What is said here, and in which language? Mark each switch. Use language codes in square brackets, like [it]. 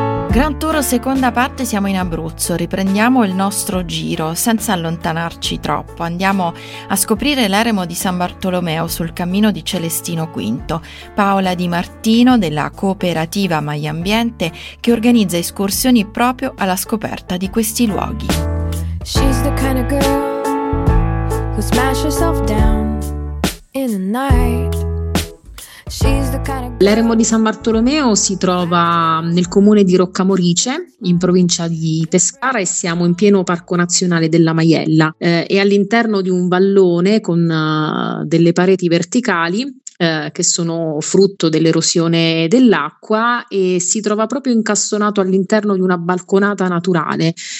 [it] Grand Tour seconda parte, siamo in Abruzzo, riprendiamo il nostro giro senza allontanarci troppo, andiamo a scoprire l'eremo di San Bartolomeo sul cammino di Celestino V. Paola Di Martino della cooperativa Mai Ambiente, che organizza escursioni proprio alla scoperta di questi luoghi. [en] She's the kind of girl who smashes herself down in the night. [it] L'eremo di San Bartolomeo si trova nel comune di Roccamorice, in provincia di Pescara, e siamo in pieno Parco Nazionale della Maiella. È all'interno di un vallone con delle pareti verticali che sono frutto dell'erosione dell'acqua, e si trova proprio incastonato all'interno di una balconata naturale.